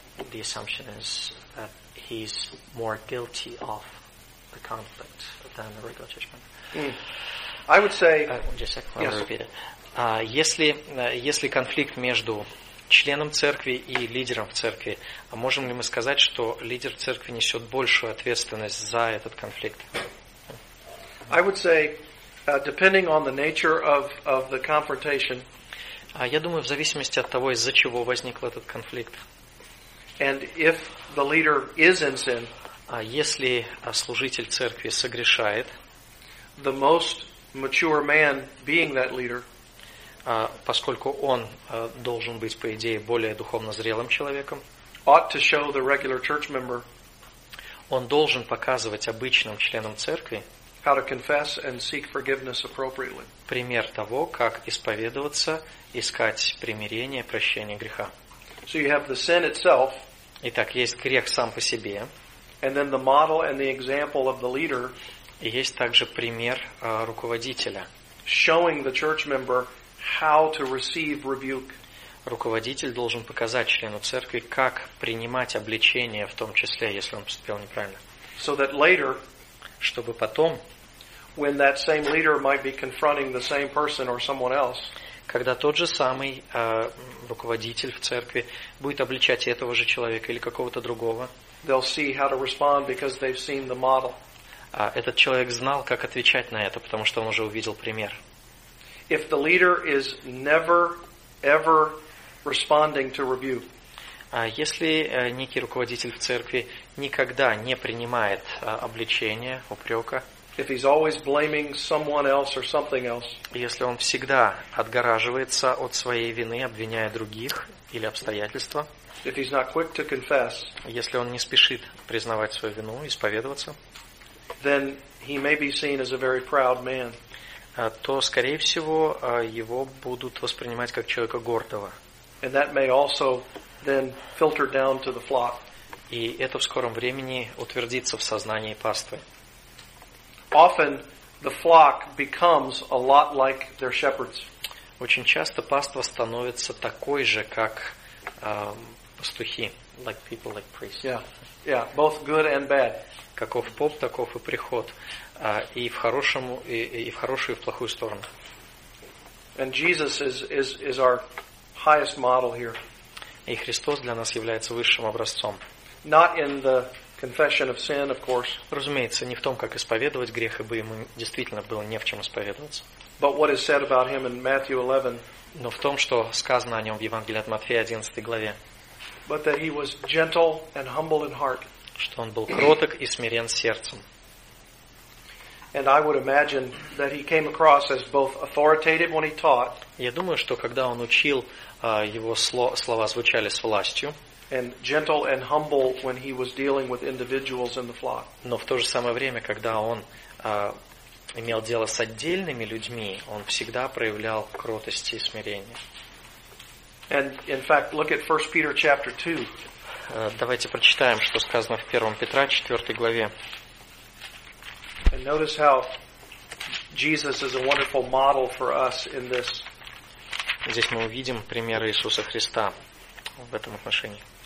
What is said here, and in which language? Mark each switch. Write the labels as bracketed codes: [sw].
[en] The assumption is that he's more guilty of the conflict than the regular church member. I would say. Just a second. I'll repeat it. [ru] Если конфликт между членом церкви и лидером в церкви, можем ли мы сказать, что лидер церкви несет большую ответственность за этот конфликт? [en] I would say, depending on the nature of the confrontation. [ru] Я думаю, в зависимости от того, из-за чего возник этот конфликт. [en] And if the leader is in sin, [ru] если служитель церкви согрешает, [en] the most mature man being that leader, [ru] поскольку он должен быть по идее более духовно зрелым человеком, [en] ought to show the regular church member, [ru] он должен показывать обычным членам церкви, [en] how to confess and seek forgiveness appropriately, [ru] пример того, как исповедоваться, искать примирение, прощение греха. [en] So you have the sin itself. [ru] Итак, есть грех сам по себе. [en] And then the model and the example of the leader. [ru] И есть также пример руководителя. [en] Showing the church member how to receive rebuke. [ru] Руководитель должен показать члену церкви, как принимать обличение, в том числе, если он поступил неправильно. [en] So that later, [ru] чтобы потом, [en] when that same leader might be confronting the same person or someone else, [ru] когда тот же самый руководитель в церкви будет обличать этого же человека или какого-то другого, [en] they'll see how to respond because they've seen the model. [ru] Этот человек знал, как отвечать на это, потому что он уже увидел пример. [en] if the leader is never, ever responding to rebuke, [ru] если некий руководитель в церкви никогда не принимает обличения, упрека, [en] if he's always blaming someone else or something else, [ru] если он всегда отгораживается от своей вины, обвиняя других или обстоятельства, [en] if he's not quick to confess, [ru] если он не спешит признавать свою вину, исповедоваться, [en] then he may be seen as a very proud man, [ru] то, скорее всего, его будут воспринимать как человека гордого. [en] And that may also then filter down to the flock. [ru] И это в скором времени утвердится в сознании паствы. [en] Often the flock becomes a lot like their shepherds. [ru] Очень часто паства становится такой же, как пастухи, [en] like people, like priests. Yeah, yeah, both good and bad. [ru] Каков поп, таков и приход, и в хорошем, и в хорошую, и в плохую сторону. [en] And Jesus is our highest model here. [ru] И Христос для нас является высшим образцом. [en] Not in the confession of sin, of course. [ru] Разумеется, не в том, как исповедовать грех, ибо ему действительно было не в чем исповедоваться. [en] But what is said about him in Matthew 11? [ru] Но в том, что сказано о нем в Евангелии от Матфея 11 главе. [en] But that he was gentle and humble in heart. [ru] Что он был кроток и смирен сердцем. [en] And I would imagine that he came across as both authoritative when he taught. [ru] Я думаю, что когда он учил, его слова звучали с властью. [en] And gentle and humble when he was dealing with individuals in the flock. [ru] Но в то же самое время, когда он имел дело с отдельными людьми, он всегда проявлял кротость и смирение. [en] And in fact, look at 1 Peter chapter 2. [ru] Давайте прочитаем, что сказано в 1 Петра 4 главе. [en] And notice how Jesus is a wonderful model for us in this. [ru] Здесь мы увидим пример Иисуса Христа в этом отношении.